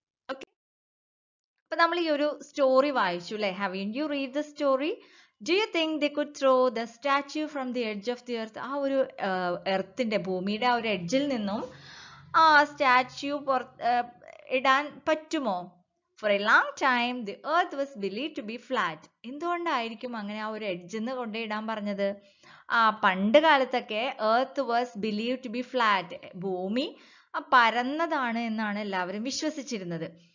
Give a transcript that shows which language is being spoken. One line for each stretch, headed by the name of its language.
Malayalam: Okay, അപ്പൊ നമ്മൾ ഈ ഒരു സ്റ്റോറി വായിച്ചു അല്ലേ.
English: Have you read the story? Do you think they could throw the statue from the edge of the earth?
Malayalam: ആ ഒരു എർത്തിന്റെ, ഭൂമിയുടെ ആ ഒരു എഡ്ജിൽ നിന്നും ആ സ്റ്റാച്യു ഇടാൻ പറ്റുമോ?
English: For a long time the earth was believe to be flat.
Malayalam: എന്തുകൊണ്ടായിരിക്കും അങ്ങനെ ആ ഒരു എഡ്ജിൽ നിന്ന് കൊണ്ട് ഇടാൻ പറഞ്ഞത്? ആ പണ്ട് കാലത്തൊക്കെ
English: earth was believe to be flat,
Malayalam: ഭൂമി ആ പരന്നതാണ് എന്നാണ് എല്ലാവരും വിശ്വസിച്ചിരുന്നത്.